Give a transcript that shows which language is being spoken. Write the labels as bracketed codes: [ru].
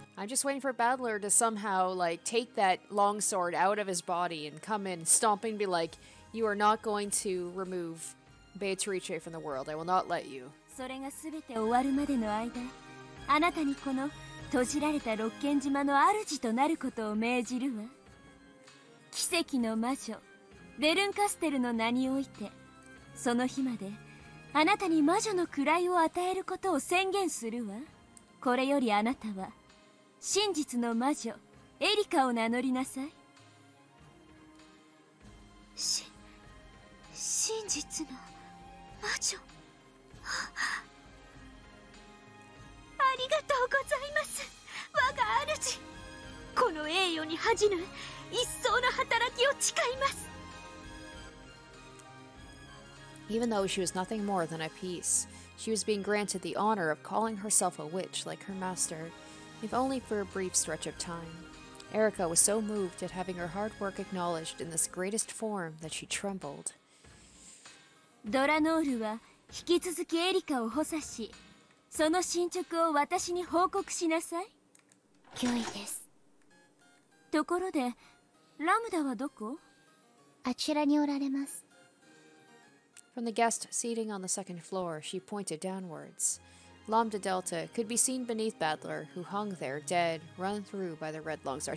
[en] I'm just waiting for Battler to somehow, like, take that long sword out of his body and come in stomping, be like, you are not going to remove Beatrice from the world. I will not let you. [ja] Sore ga subete owaru made no aida. あなたにこの閉じられた六軒島の主となることを命じるわ。奇跡の魔女ベルンカステルの名において、その日まであなたに魔女の位を与えることを宣言するわ。これよりあなたは真実の魔女エリカを名乗りなさい。真実の魔女はありがとうございます、我が主。この栄誉に恥じぬ一層の働きを誓います。 [en] Even though she was nothing more than a piece, she was being granted the honor of calling herself a witch like her master, if only for a brief stretch of time. Erica was so moved at having her hard work acknowledged in this greatest form that she trembled. [ja] ドラノールは引き続きエリカを補佐し、その進捗を私に報告しなさい。脅威です。ところでラムダはどこ？あちらにおられます。 [en] From the guest seating on the second floor, she pointed downwards. Lambda Delta could be seen beneath Battler, who hung there dead, run through by the red longsword.